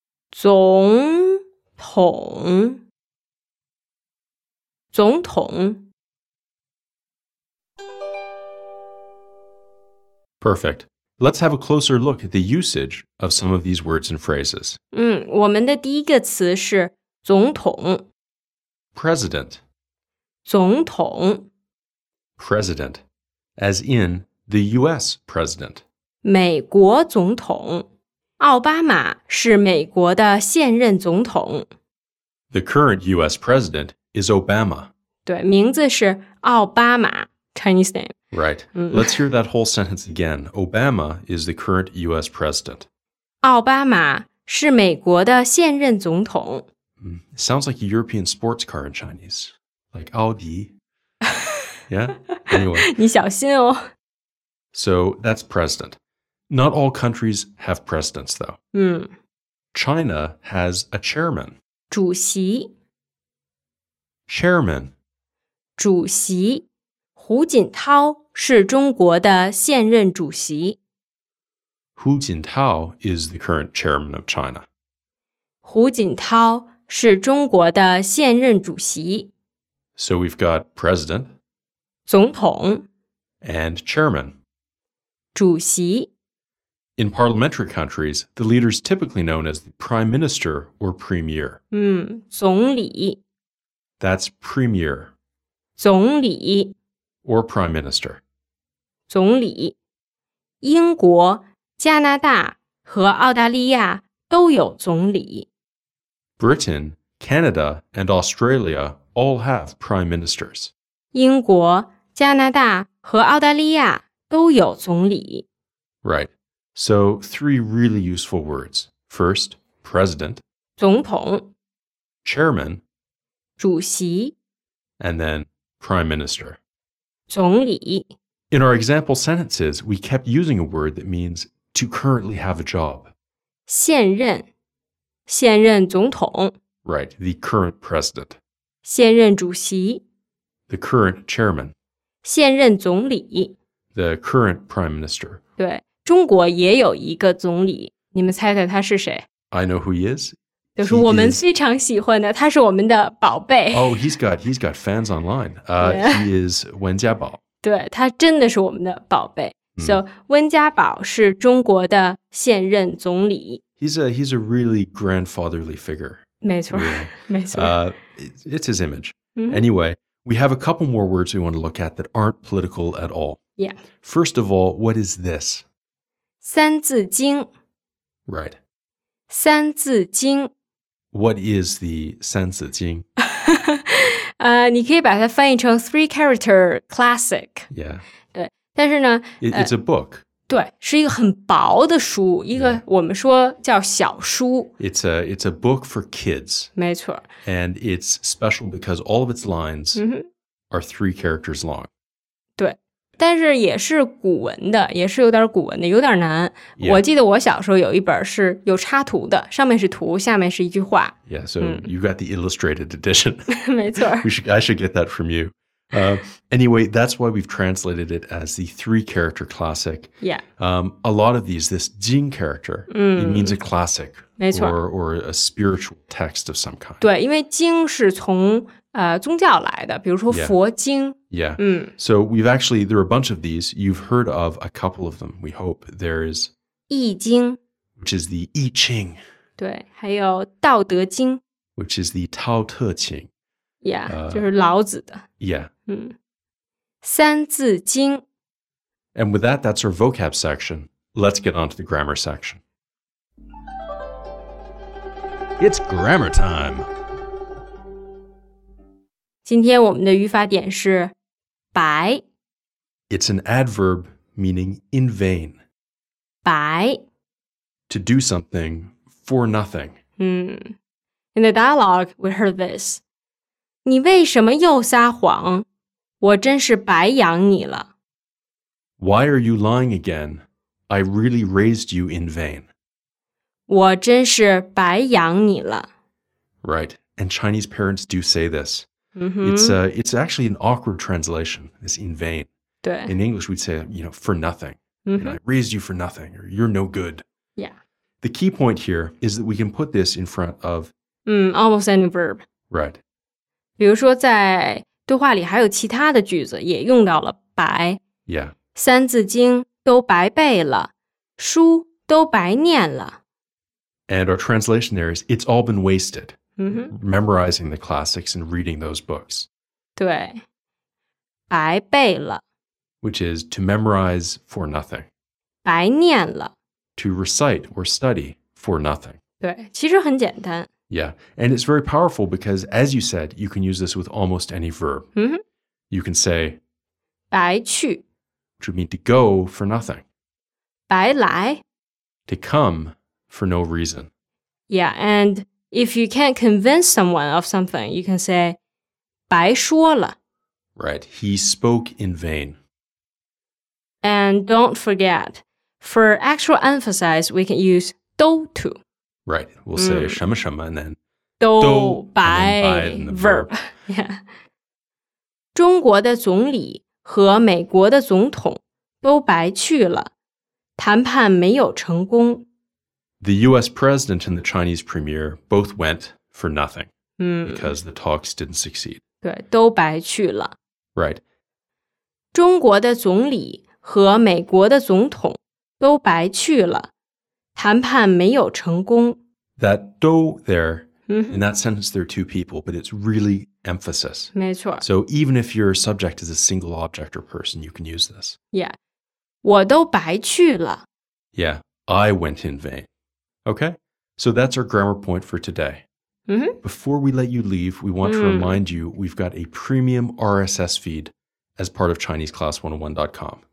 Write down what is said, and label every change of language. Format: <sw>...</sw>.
<zh>总统总统</zh> <en>Perfect. Let's have a closer look at the usage of some of these words and phrases.</en> <zh>我们的第一个词是总统</zh> <en>President</en> <zh>总统</zh> <en>President as in the U.S. President</en> <zh>美国总统奥巴马是美国的现任总统</zh> <en>The current U.S. President is Obama</en> <zh>对名字是奥巴马</zh> <en>Chinese name Right, let's hear that whole sentence again Obama is the current U.S. President</en> <zh>奥巴马是美国的现任总统</zh> <en>Sounds like a European sports car in Chinese Like 奥迪 Yeah, anyway</en> <zh>你小心哦</zh> <en>So that's president Not all countries have presidents, though. China has a chairman.</en> <zh>主席</zh> <en>Chairman.</en> <zh>主席胡锦涛是中国的现任主席。</zh> <en>胡锦涛 is the current chairman of China.</en> <zh>胡锦涛是中国的现任主席。</zh> <en>So we've got president.</en> <zh>总统</zh> <en>And chairman.</en> <zh>主席</zh> <en>In parliamentary countries, the leader is typically known as the prime minister or premier.</en> <zh>总理</zh> <en>That's premier.</en> <zh>总理</zh> <en>Or prime minister.</en> <zh>总理英国、加拿大和澳大利亚都有总理</zh> <en>Britain, Canada, and Australia all have prime ministers.</en> <zh>英国、加拿大和澳大利亚都有总理</zh> <en>Right. So, three really useful words. First, president.</en> <zh>总统</zh> <en>Chairman.</en> <zh>主席</zh> <en>And then, prime minister.</en> <zh>总理</zh> <en>In our example sentences, we kept using a word that means to currently have a job.</en> <zh>现任现任总统</zh> <en>Right, the current president.</en> <zh>现任主席</zh> <en>The current chairman.</en> <zh>现任总理</zh> <en>The current prime minister.</en> <zh>对中国也有一个总理你们猜猜他是谁</zh> <en>I know who he is</en> <zh>就是我们非常喜欢的他是我们的宝贝</zh> <en>Oh, he's got fans online yeah. He is 温家宝</en> <zh>对他真的是我们的宝贝 So, 温家宝是中国的现任总理</zh> <en>He's a really grandfatherly figure</en> <zh>没错 yeah. 没错</zh> <en>It's his image Anyway, we have a couple more words we want to look at that aren't political at all Yeah. First of all, what is this?</en> <zh>三字经</zh> <en>Right.</en> <zh>三字经</zh> <en>What is the 三字经</en> <zh>你可以把它翻译成</zh> <en>three character classic. Yeah.</en> <zh>对但是呢</zh> <en>It's a book.</en> <zh>对是一个很薄的书一个我们说叫小书</zh> <en>It's a book for kids.</en> <zh>没错</zh> <en>And it's special because all of its lines are three characters long.</en> <zh>但是也是古文的也是有点古文的有点难、</zh> <en>yeah.</en> <zh>我记得我小时候有一本是有插图的上面是图下面是一句话</zh> <en>Yeah, so you got the illustrated edition</en> <zh>没错</zh> <en>I should get that from you Anyway, that's why we've translated it as the three character classic Yeah A lot of these, this 经 character It means a classic</en> <zh>没错</zh> <en>or a spiritual text of some kind</en> <zh>对因为经是从宗教来的，比如说佛经。</zh> <en>Yeah. So we've actually, there are a bunch of these. You've heard of a couple of them, we hope. There's</en> <zh>易经</zh> <en>which is the 易经。</en> <zh>对，还有道德经</zh> <en>which is the 道特经。</en> <zh>Yeah, 就是老子的。</zh> <en>Yeah.</en> <zh>三字经。</zh> <en>And with that, that's our vocab section. Let's get on to the grammar section. It's grammar time.</en> <zh>今天我们的语法点是白。</zh> <en>It's an adverb meaning in vain.</en> <zh>白。</zh> <en>To do something for nothing. In the dialogue, we heard this.</en> <zh>你为什么又撒谎?我真是白养你了。</zh> <en>Why are you lying again? I really raised you in vain.</en> <zh>我真是白养你了。</zh> <en>Right, and Chinese parents do say this.、 Mm-hmm. It's actually an awkward translation, this in vain.</en> <zh>对。</zh> <en>In English, we'd say, you know, for nothing.、 Mm-hmm. You know, I raised you for nothing, or you're no good. Yeah. The key point here is that we can put this in front of... almost any verb. Right.</en> <zh>比如说在对话里还有其他的句子也用到了白。</zh> <en>Yeah.</en> <zh>三字经都白背了，书都白念了。</zh> <en>And our translation there is, it's all been wasted,、 mm-hmm. memorizing the classics and reading those books.</en> <zh>对，白背了。</zh> <en>Which is to memorize for nothing.</en> <zh>白念了。</zh> <en>To recite or study for nothing.</en> <zh>对，其实很简单。</zh> <en>Yeah, and it's very powerful because, as you said, you can use this with almost any verb.、 Mm-hmm. You can say,</en> <zh>白去。</zh> <en>Which would mean to go for nothing.</en> <zh>白来</zh> <en>To come for no reason. Yeah, and if you can't convince someone of something, you can say, 白说了 Right, he spoke in vain. And don't forget, for actual emphasis, we can use 都 to. Right, we'll say</en> <zh>什么什么</zh> <en>and then</en> <zh>都白</zh> <en>verb. Yeah.</en> <zh>中国的总理和美国的总统都白去了，谈判没有成功。</zh> <en>The U.S. president and the Chinese premier both went for nothing、 because the talks didn't succeed.</en> <zh>对，都白去了。</zh> <en>Right.</en> <zh>中国的总理和美国的总统都白去了，谈判没有成功。</zh> <en>That 都 there,、in that sentence there are two people, but it's really... Emphasis.</en> <zh>没错。</zh> <en>So even if your subject is a single object or person, you can use this.</en> <zh>Yeah. 我都白去了。</zh> <en>Yeah. I went in vain. Okay. So that's our grammar point for today.、Before we let you leave, we want、to remind you we've got a premium RSS feed as part of ChineseClass101.com.</en>